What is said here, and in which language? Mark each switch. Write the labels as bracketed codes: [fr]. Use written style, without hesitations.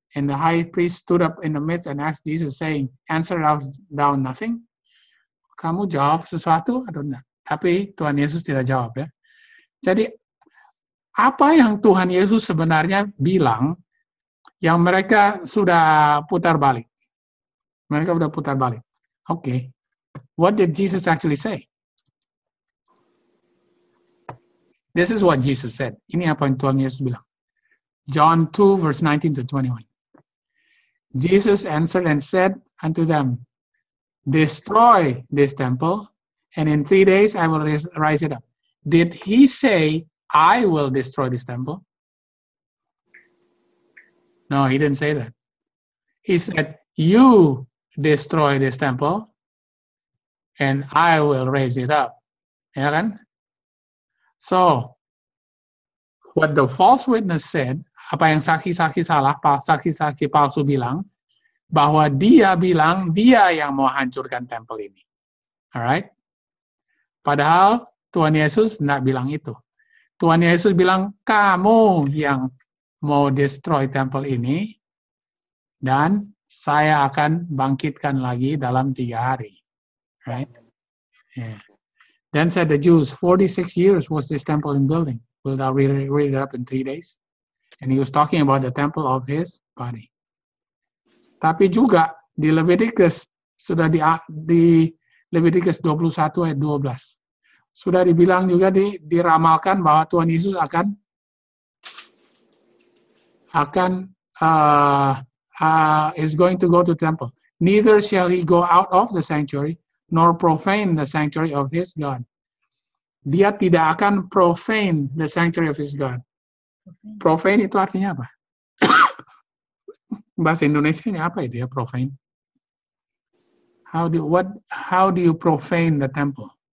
[en] And the high priest stood up in the midst and asked Jesus, saying, answer thou nothing? [id] Kamu jawab sesuatu atau tidak? Tapi Tuhan Yesus tidak jawab ya. Jadi, apa yang Tuhan Yesus sebenarnya bilang, yang mereka sudah putar balik? Mereka sudah putar balik. Okay. [en] What did Jesus actually say? This is what Jesus said. [id] Ini apa yang Tuhan Yesus bilang. [en] John 2 verse 19 to 21. Jesus answered and said unto them, destroy this temple, and in 3 days I will raise it up. Did he say, I will destroy this temple? No, he didn't say that. He said, you destroy this temple, and I will raise it up. [id] Ya kan? [en] So, what the false witness said, [id] apa yang saksi-saksi salah, saksi-saksi palsu bilang, bahwa dia bilang dia yang mau hancurkan temple ini. [en] Alright? [id] Padahal Tuhan Yesus tidak bilang itu. Tuhan Yesus bilang, kamu yang mau destroy temple ini, dan saya akan bangkitkan lagi dalam 3 hari. [en] Right? Yeah. Then said the Jews, 46 years was this temple in building. Will thou raise it up in 3 days? And he was talking about the temple of his body. [id] Tapi juga di Leviticus, sudah di Leviticus 21 ayat 12. Sudah dibilang juga, diramalkan bahwa Tuhan Yesus [en] is going to go to temple. Neither shall he go out of the sanctuary, nor profane the sanctuary of his God. [id] Dia tidak akan [en] profane the sanctuary of his God. [id] Profane itu artinya apa? Bahasa Indonesia ini apa itu ya, profane? [en] How do you profane the temple?